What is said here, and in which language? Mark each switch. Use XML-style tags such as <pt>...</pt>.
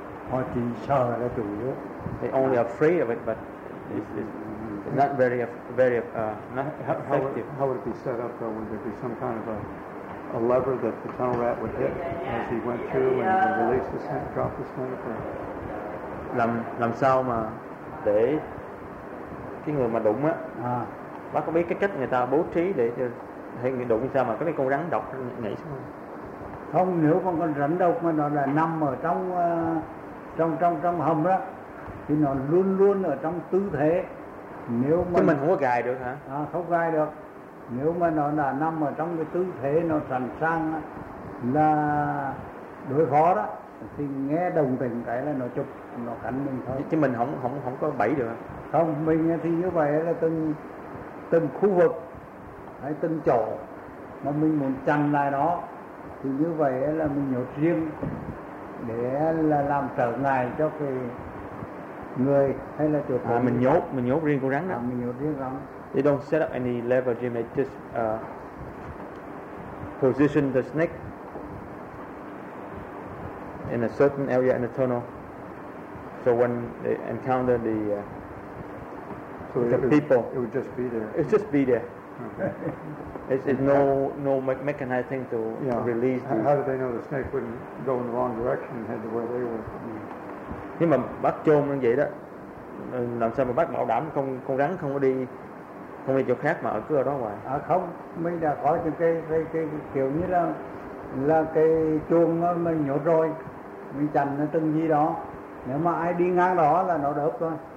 <vi>Họ chỉ sợ là chủ yếu.</vi> <en>They only afraid of it but it's not very not effective. How would it be set up though? Would there be some kind of a lever that the tunnel rat would hit as he went through and release the snake, drop the snake? Or?</en> <vi>Làm sao mà để cái người mà đụng á, bác có biết cái cách người ta bố trí để hay người đụng sao mà cái con rắn độc nhảy xuống? Không, nếu con rắn độc mà nó là nằm ở trong trong hầm đó thì nó luôn luôn ở trong tư thế. Nếu mà chứ mình không có gài được hả? Không gài được. Nếu mà nó đã nằm ở trong cái tư thế nó sẵn sàng là đối phó đó thì nghe đồng tình cái là nó chụp nó cắn mình thôi. Chứ mình không có bẫy được. Không, mình thì như vậy là từng khu vực hay từng chỗ mà mình muốn chặn lại đó thì như vậy là mình nhốt riêng để là làm trở ngại cho cái người hay là chuột. Mình nhốt riêng con rắn đó. Mình nhốt riêng rắn.</vi> <en>They don't set up any lever, Jim. They just position the snake in a certain area in the tunnel. So when they encounter the people, it would just be there. It's just be there. Okay. It's no mechanized thing to release. How did they know the snake wouldn't go in the wrong direction and head to where they were?</en> <vi>Nhưng mà bác chôn như vậy đó, làm sao mà bác bảo đảm con rắn không có đi? không đi chỗ khác mà ở cứ ở đó hoài. À không, mình đã có những cái kiểu như là cái chuông mình nhốt rồi, mình chặn nó từng gì đó. Nếu mà ai đi ngang đó là nó đớp thôi.</vi>